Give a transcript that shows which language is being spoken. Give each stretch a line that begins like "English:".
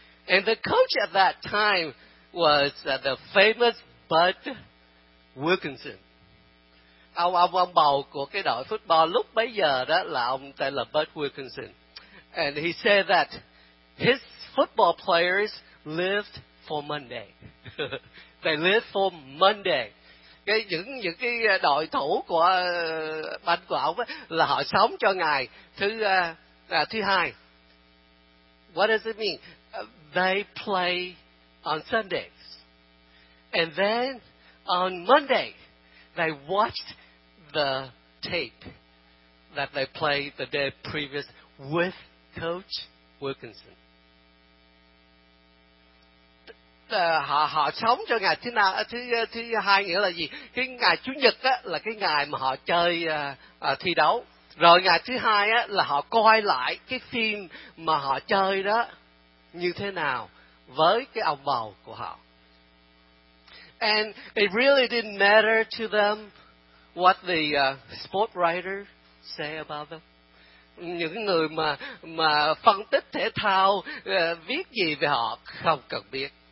English: And the coach at that time was the famous Bud Wilkinson.
Vietnamese: Ông bầu của cái đội football lúc bấy giờ đó là ông tên là Bud Wilkinson.
English: And he said that his football players lived for Monday. They lived for Monday.
Vietnamese: Cái những cái đội thủ của ban của ông ấy, là họ sống cho ngày thứ hai.
English: What does it mean? They play on Sundays. And then on Monday, they watched the tape that they played the day previous with Coach Wilkinson.
Vietnamese: Họ sống cho ngày thứ hai nghĩa là gì? Cái ngày Chủ nhật á là cái ngày mà họ chơi thi đấu. Rồi ngày thứ hai á là họ coi lại cái phim mà họ chơi đó như thế nào với cái ông bầu của họ.
English: And it really didn't matter to them what the sport writer say about them.
Vietnamese: Những người mà phân tích thể thao viết gì về họ không cần biết.